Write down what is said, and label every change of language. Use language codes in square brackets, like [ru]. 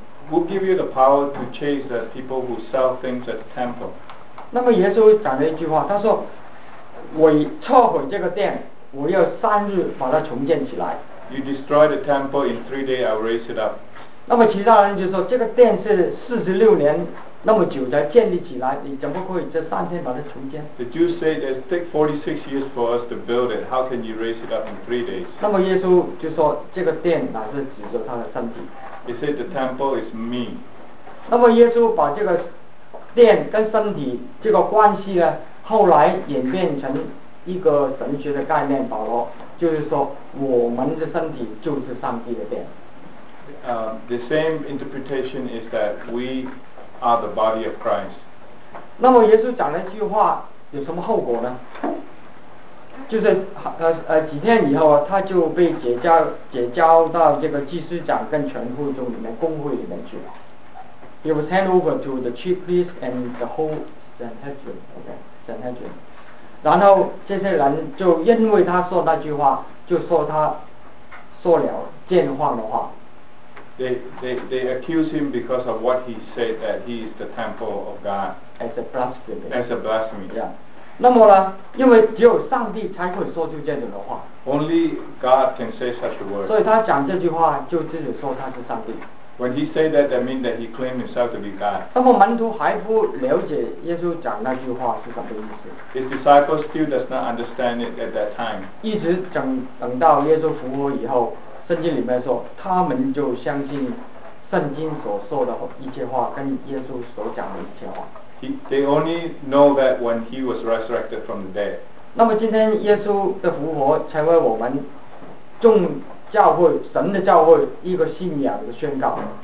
[en] We'll give you the power to chase the people who sell things at the temple. [zh] 那么耶稣讲了一句话，他说：“我拆毁这个殿，我要三日把它重建起来。” [en] You destroy the temple in 3 days, I'll raise it up. [zh] 那么其他人就说：“这个殿是46年。” 那么久才建立起来，你怎么可以这三天把它重建 [en] ？The Jews say it takes 46 years for us to build it. How can you raise it up in 3 days? [zh] 那么耶稣就说，这个殿乃是指着他的身体。 [en] He said the temple is me. [zh] 那么耶稣把这个殿跟身体这个关系呢，后来演变成一个神学的概念，保罗就是说，我们的身体就是上帝的殿。 [en] The same interpretation is that we are the body of Christ. [zh] 那么耶稣讲那句话有什么后果呢？就是几天以后啊，他就被解交到这个祭司长跟全会众里面公会里面去了。 [en] He was handed over to the chief priests and the whole Sanhedrin. Okay, Sanhedrin. [zh] 然后这些人就因为他说那句话，就说他说了奸谎的话。 [en] They accuse him because of what he said, that he is the temple of God. As a blasphemy. As a blasphemy. Yeah. [zh] 那么呢，因为只有上帝才会说出这种的话。 [en] Only God can say such a word. [zh] 所以他讲这句话，就只是说他是上帝。 [en] When he said that, that means that he claimed himself to be God. [zh] 那么门徒还不了解耶稣讲那句话是什么意思。 [en] His disciples still does not understand it at that time. [zh] 一直等到耶稣复活以后，圣经里面说，他们就相信圣经所说的一切话，跟耶稣所讲的一切话。 [en] They only know that when he was resurrected from the dead. [zh] 那么今天耶稣的复活成为我们众教会神的教会一个信仰的宣告。